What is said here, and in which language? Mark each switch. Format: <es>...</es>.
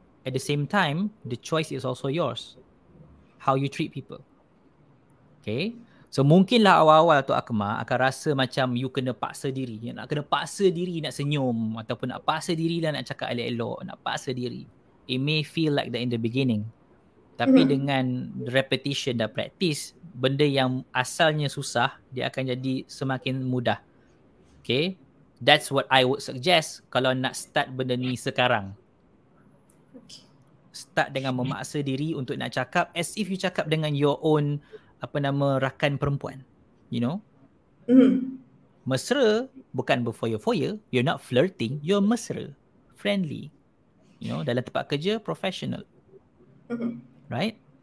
<en>At the same time, the choice is also yours. How you treat people. Okay?</en> <ms>So mungkinlah awal-awal Tok Akmal akan rasa macam you kena paksa diri. You nak kena paksa diri nak senyum ataupun nak paksa diri lah nak cakap elok-elok, nak paksa diri.</ms> <en>It may feel like that in the beginning.</en> <ms>Tapi dengan repetition dan practice, benda yang asalnya susah, dia akan jadi semakin mudah.</ms> <en>Okay? That's what I would suggest</en> <ms>kalau nak</ms> <en>start</en> <ms>benda ni sekarang. Start dengan memaksa diri untuk nak cakap</ms> <en>as if you</en> <ms>cakap dengan</ms> <en>your own</en> <ms>apa nama rakan perempuan,</ms> <en>you know.</en> <ms>Mesra bukan berfoya-foya,</ms> <en>you're not flirting, you're</en> <ms>mesra,</ms> <en>friendly, you know,</en> <ms>dalam tempat kerja</ms> <en>professional, right?</en>